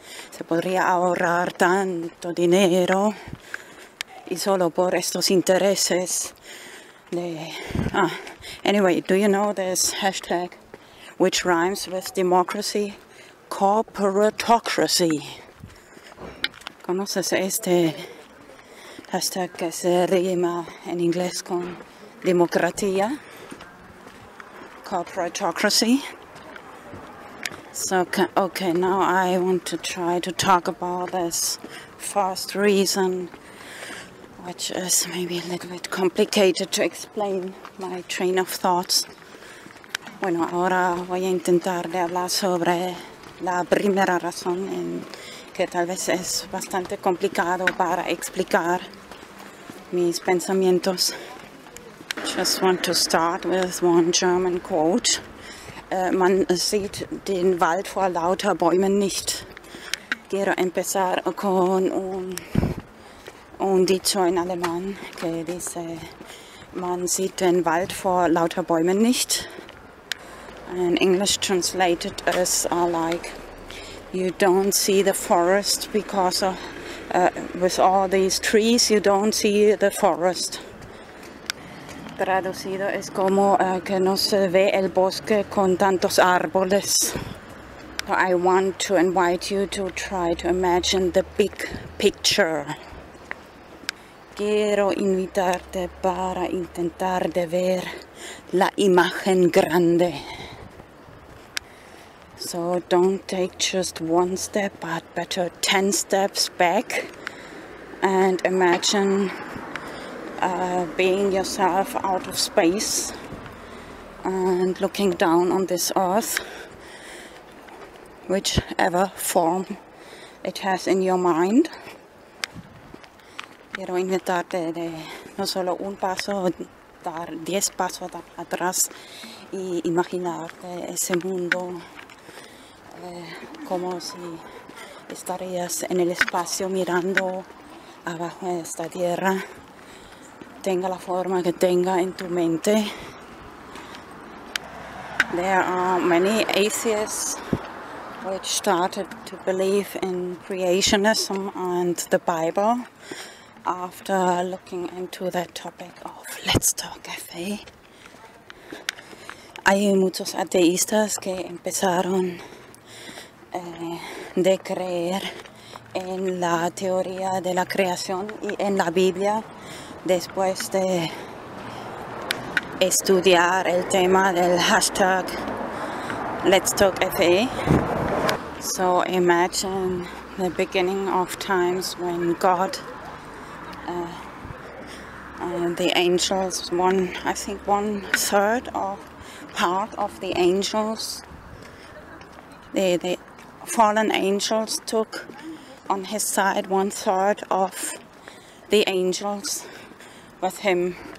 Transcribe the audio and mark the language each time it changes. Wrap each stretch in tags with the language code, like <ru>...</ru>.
<es>Se podría ahorrar tanto dinero y solo por estos intereses de...</es> <en>Anyway, do you know this hashtag which rhymes with democracy? Corporatocracy.</en> <es>¿Conoces este hashtag que se rima en inglés con democracia?</es> <en>Corporatocracy. So, okay, now I want to try to talk about this first reason, which is maybe a little bit complicated to explain my train of thoughts.</en> <es>Bueno, ahora voy a intentar de hablar sobre la primera razón, en que tal vez es bastante complicado para explicar mis pensamientos.</es> <en>Just want to start with one German quote.</en> <de>Man sieht den Wald vor lauter Bäumen nicht.</de> <es>Quiero empezar con un dicho en alemán que dice:</es> <de>Man sieht den Wald vor lauter Bäumen nicht.</de> <en>And English translated is like: You don't see the forest because of, with all these trees, you don't see the forest.</en> <es>Traducido es como que no se ve el bosque con tantos árboles.</es> <en>I want to invite you to try to imagine the big picture.</en> <es>Quiero invitarte para intentar de ver la imagen grande.</es> <en>So don't take just one step, but better 10 steps back and imagine being yourself out of space and looking down on this earth, whichever form it has in your mind.</en> <es>Quiero invitarte de no solo un paso, dar 10 pasos atrás y imaginarte ese mundo como si estarías en el espacio mirando abajo de esta tierra. Tenga la forma que tenga en tu mente.</es> <en>There are many atheists which started to believe in creationism and the Bible after looking into that topic of Let's Talk Cafe.</en> <es>Hay muchos ateístas que empezaron de creer en la teoría de la creación y en la Biblia después de estudiar el tema del hashtag Let's Talk FA.</es> <en>So imagine the beginning of times when God and the angels, one third of the angels, the fallen angels took on his side one third of the angels with him.</en>